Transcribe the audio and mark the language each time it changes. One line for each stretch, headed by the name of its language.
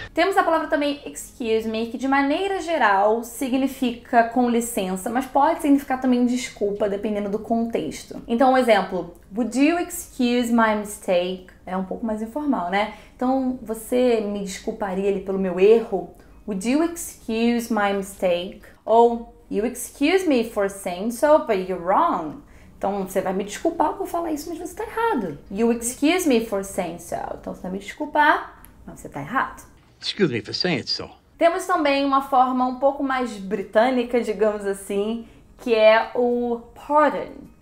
Portuguese: Temos a palavra também, excuse me, que de maneira geral significa com licença, mas pode significar também desculpa, dependendo do contexto. Então, um exemplo,
English: would you excuse my mistake?
Portuguese: É um pouco mais informal, né? Então, você me desculparia ali pelo meu erro?
English: Would you excuse my mistake? Ou, you excuse me for saying so, but you're wrong.
Portuguese: Então, você vai me desculpar por falar isso, mas você tá errado.
English: You excuse me for saying so.
Portuguese: Então, você vai me desculpar, mas você tá errado.
English: Excuse me for saying so.
Portuguese: Temos também uma forma um pouco mais britânica, digamos assim, que é o pardon.